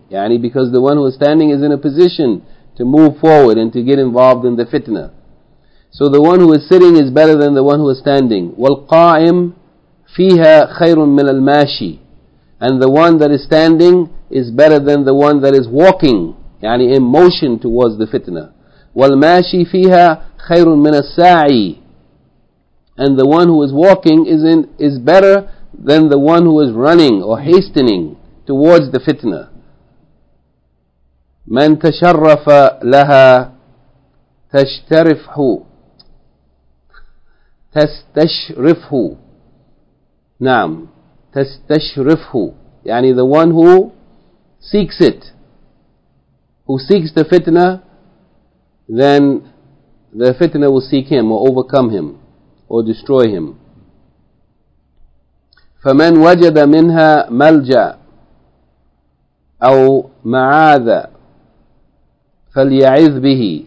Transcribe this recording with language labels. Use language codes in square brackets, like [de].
[en] Yani because the one who is standing is in a position to move forward and to get involved in the fitna. So the one who is sitting is better than the one who is standing. [ar] والقائم فيها خير من الماشي. [en] And the one that is standing is better than the one that is walking, yani in motion towards the fitna. [ar] والماشي فيها خير من الساعي. [en] And the one who is walking is better than the one who is running or hastening towards the fitna. [ar] من تشرف لها تشترفه تستشرفه. نعم تستشرفه. [en] يعني the one who seeks it, who seeks the fitna, then the fitna will seek him or overcome him or destroy him. [ar] فمن وجد منها ملجأ أو معاذ فليعذ به.